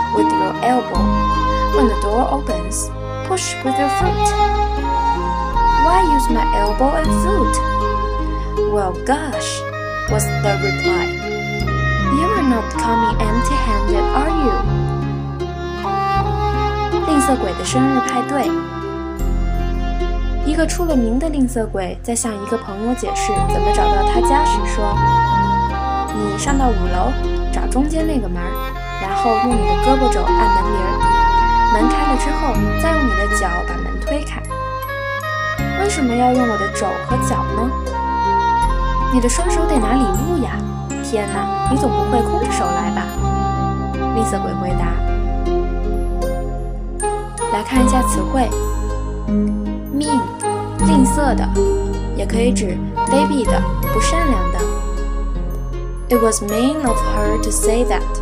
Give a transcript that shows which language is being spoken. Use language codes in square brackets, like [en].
[en] With your elbow. When the door opens, push with your foot. Why use my elbow and foot? Well, gosh, was the reply. You are not coming empty-handed, are you? [zh] 吝啬鬼的生日派对。一个出了名的吝啬鬼在向一个朋友解释怎么找到他家时说，你上到5楼，找中间那个门，然后用你的胳膊肘按门铃，门开了之后再用你的脚把门推开。为什么要用我的肘和脚呢？你的双手得拿礼物呀。天哪，你总不会空着手来吧？吝啬鬼回答。来看一下词汇， mean， 吝啬的，也可以指卑鄙的，不善良的。 [en] It was mean of her to say that.